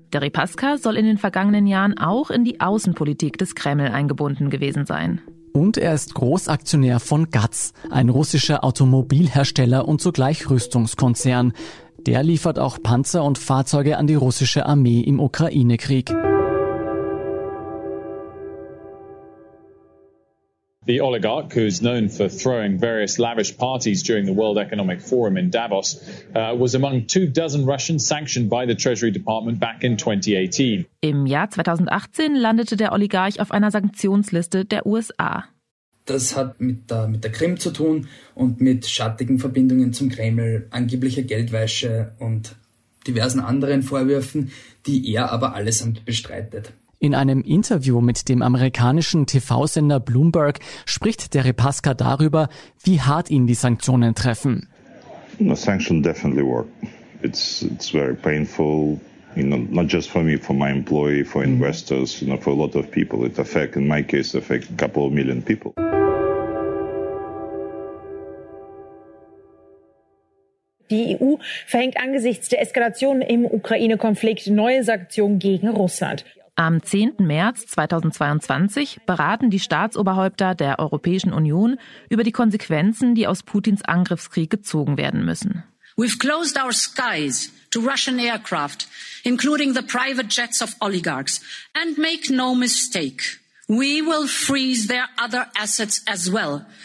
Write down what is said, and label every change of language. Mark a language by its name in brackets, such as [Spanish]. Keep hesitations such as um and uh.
[German] Deripaska soll in den vergangenen Jahren auch in die Außenpolitik des Kreml eingebunden gewesen sein. Und er ist Großaktionär von GATS, ein russischer Automobilhersteller und zugleich Rüstungskonzern. Der liefert auch Panzer und Fahrzeuge an die russische Armee im Ukraine-Krieg. [English] The oligarch, who's known for throwing various lavish parties during the World Economic Forum in Davos, uh, was among two dozen Russians sanctioned by the Treasury Department back in 2018. [German] Im Jahr 2018 landete der Oligarch auf einer Sanktionsliste der USA. Das hat mit der, mit der Krim zu tun und mit schattigen Verbindungen zum Kreml, angeblicher Geldwäsche und diversen anderen Vorwürfen, die er aber allesamt bestreitet. In einem Interview mit dem amerikanischen TV-Sender Bloomberg spricht der Repaska darüber, wie hart ihn die Sanktionen treffen. [English] The definitely work. It's it's very painful, you know, not just for me, for my employee, for investors, you know, for a lot of people. It affects, in my case, affect couple of million people. [German] Die EU verhängt angesichts der Eskalation im Ukraine-Konflikt neue Sanktionen gegen Russland. Am 10. März 2022 beraten die Staatsoberhäupter der Europäischen Union über die Konsequenzen, die aus Putins Angriffskrieg gezogen werden müssen. [English] We've closed our skies to Russian aircraft, including the private jets of oligarchs. And make no mistake, we will freeze their other assets as well.